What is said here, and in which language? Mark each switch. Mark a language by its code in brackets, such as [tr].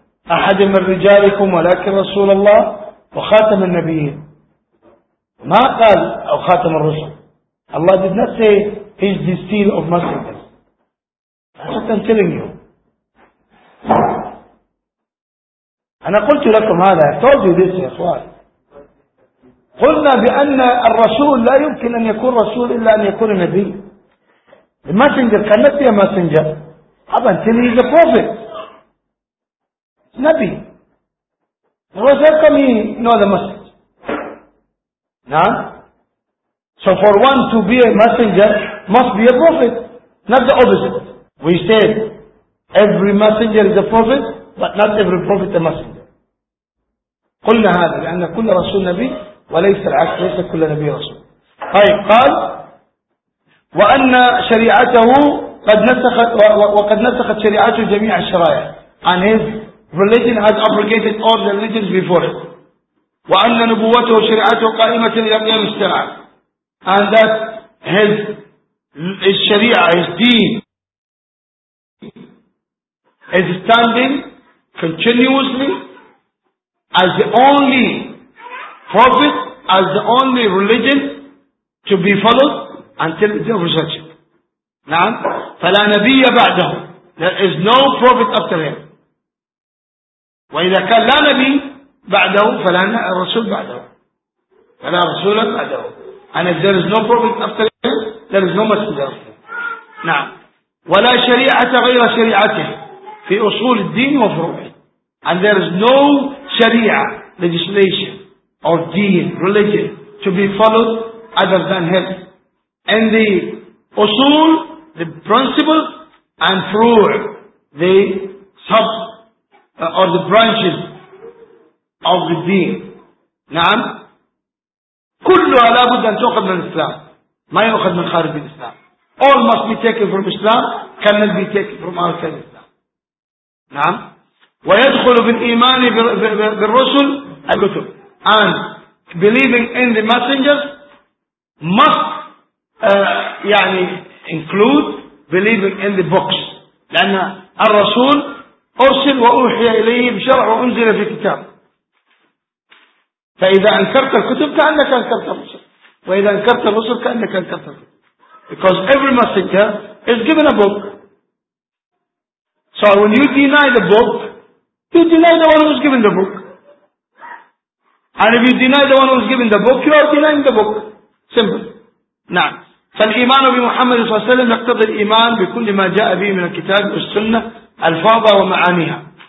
[ar] أحد من رجالكم ولكن رسول الله وخاتم النبيين. ما قال أو خاتم الرسل. [en] Allah did not say he is the seal of messengers. That's what I'm telling you. [ar] أنا قلت لكم هذا. [en] I told you this [ar] يا أخوان. قلنا بأن الرسول لا يمكن أن يكون رسول إلا أن يكون نبي. [en] The messenger cannot be a messenger up until he is a prophet. It's نبي. Because how come he know the message? [ar] نعم. [en] So for one to be a messenger must be a prophet, not the opposite. We said every messenger is a prophet, but not every prophet a messenger. [ar] قلنا هذا لأن كل رسول نبي وليس العكس ليس كل نبي رسول. طيب قال وأن شريعته قد نسخت وقد نسخت شريعته جميع الشرائع. [en] And his religion has abrogated all the religions before it. [ar] وأن نبوته وشريعته قائمة إلى قيام الساعة. [en] And that his شريعة his deen is standing continuously as the only prophet, as the only religion to be followed until the day of resurrection. [ar] نعم. فلا نبي بعده. [en] There is no prophet after him. [ar] وإذا كان لا نبي بعده فلا رسول بعده. فلا رسول بعده. [en] And if there is no prophet after him, there is no messenger. [ar] نعم. ولا شريعة غير شريعته في أصول الدين وفروعه. [en] And there is no sharia, legislation, or deen, religion, to be followed other than him. And the usul, the principles, and through the sub, or the branches of the deen. [ar] نعم. كلها لا بد أن تأخذ من الإسلام. ما يأخذ من خارج الإسلام. [en] All must be taken from Islam, cannot be taken from outside Islam. [ar] نعم. ويدخل بالإيمان بالرسل الكتب. [en] And believing in the messengers must يعني include believing in the books. [ar] لأن الرسول أرسل وأوحي إليه بشرع وأنزل في كتاب. فإذا أنكرت الكتب كأنك أنكرت الرسل. وإذا أنكرت الرسل كأنك أنكرت الكتب. [en] Because every messenger is given a book. So when you deny the book, you deny the one who's given the book. And if you deny the one who's given the book, you are denying the book. Simple. نعم. [ar] فالإيمان بمحمد صلى الله عليه وسلم يقتضي الإيمان بكل ما جاء به من الكتاب والسنة ألفاظا ومعانيها.